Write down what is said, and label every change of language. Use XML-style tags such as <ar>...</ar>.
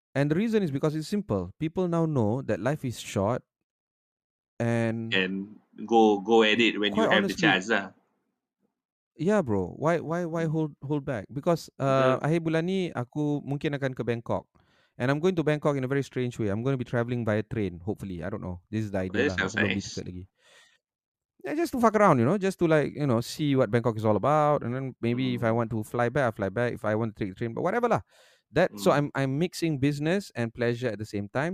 <en>And the reason is because it's simple. People now know that life is short and go at it when you have honestly, the chance lah. Yeah bro, why hold back? Because</en> <ms>akhir bulan ni aku mungkin akan ke Bangkok.</ms> <en>And I'm going to Bangkok in a very strange way. I'm going to be traveling by a train, hopefully. I don't know. This is the idea. That sounds nice.</en> <ms>Belum lagi.</ms> <en>Yeah, just to fuck around, you know, just to like, you know, see what Bangkok is all about. And then maybe if I want to fly back, I fly back. If I want to take the train, but whatever lah. That so I'm mixing business and pleasure at the same time.</en>